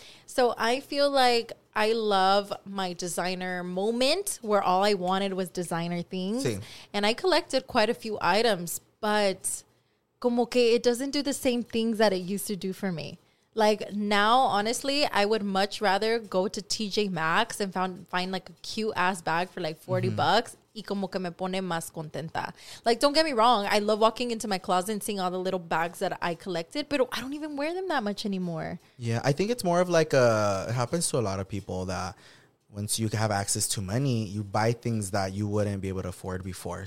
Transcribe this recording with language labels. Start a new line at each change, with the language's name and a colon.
English: So I feel like I love my designer moment where all I wanted was designer things. See. And I collected quite a few items, but
Spanish: como que
English: it doesn't do the same things that it used to do for me. Like now, honestly, I would much rather go to TJ Maxx and find like a cute ass bag for like $40.
Spanish: Y como que me pone más contenta.
English: Like, don't get me wrong, I love walking into my closet and seeing all the little bags that I collected, but I don't even wear them that much anymore. Yeah, I think it's more of like it happens to a lot of people that once you have access to money, you buy things that you wouldn't be able to afford before.